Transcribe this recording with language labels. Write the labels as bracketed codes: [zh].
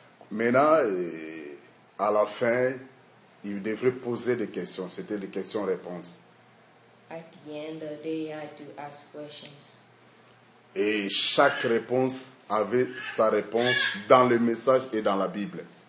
[fr] Maintenant, à la fin, il devrait poser des questions. C'était des questions-réponses. [en] At the end, they had to ask questions. [fr] Et chaque réponse avait sa réponse dans le message et dans la Bible.